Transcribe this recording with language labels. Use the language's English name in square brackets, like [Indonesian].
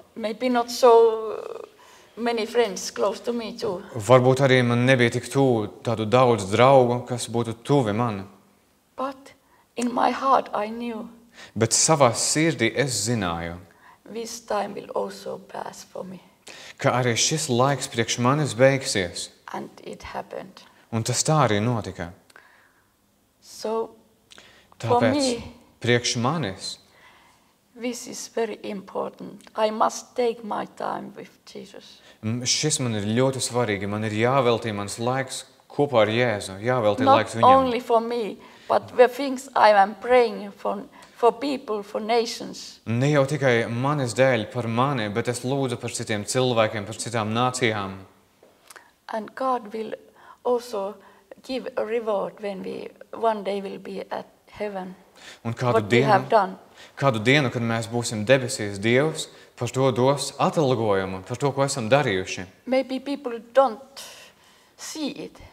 [English] Maybe not so many friends close to me too. [Latvian] Varbūt arī man nebija tik tu tādu daudz draugu, kas būtu tuvi man. [English] But in my heart I knew. [Latvian] Bet savā sirdī es zināju. [English] This time will also pass for me. [Latvian] Ka arī šis laiks priekš manis beigsies. [English] And it happened. [Latvian] Un tas tā arī notika. [English] So, [Latvian] tāpēc, priekš manis. [English] This is very important. I must take my time with Jesus. [Latvian] Šis man ir ļoti svarīgi. Man ir jāveltī mans laiks kopā ar Jēzu. Jāveltī [English] Not [Latvian] laiks viņam. [English] Not only for me, but the things I am praying for people, for nations. [Latvian] Ne jau tikai manis dēļ par mani, bet es lūdzu par citiem cilvēkiem, par citām nācijām. [English] And God will also give a reward when we one day will be at heaven. [Latvian] Un kādu dienu, kad mēs būsim debesīs, Dievs par to dos atalgojumu, par to, ko esam darījuši. [English] Maybe people don't see it.